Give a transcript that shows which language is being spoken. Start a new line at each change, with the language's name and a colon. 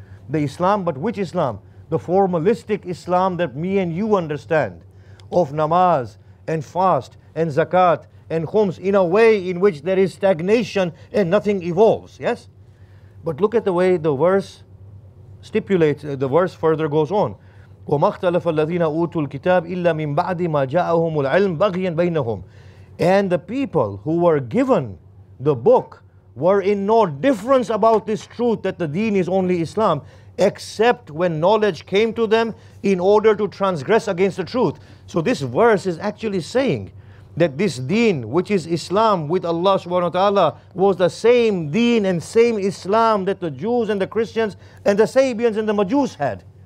English: The Islam, but which Islam? The formalistic Islam that me and you understand, of namaz and fast and zakat and khums, in a way in which there is stagnation and nothing evolves, yes? But look at the way the verse stipulates, the verse further goes on.
Arabic: وما اختلف الذين أوتوا الكتاب إلا من بعد ما جاءهم العلم بغيا بينهم.
English: And the people who were given the book were in no difference about this truth that the deen is only Islam, except when knowledge came to them in order to transgress against the truth. So this verse is actually saying that this deen, which is Islam with Allah subhanahu wa ta'ala, was the same deen and same Islam that the Jews and the Christians and the Sabians and the Majus had.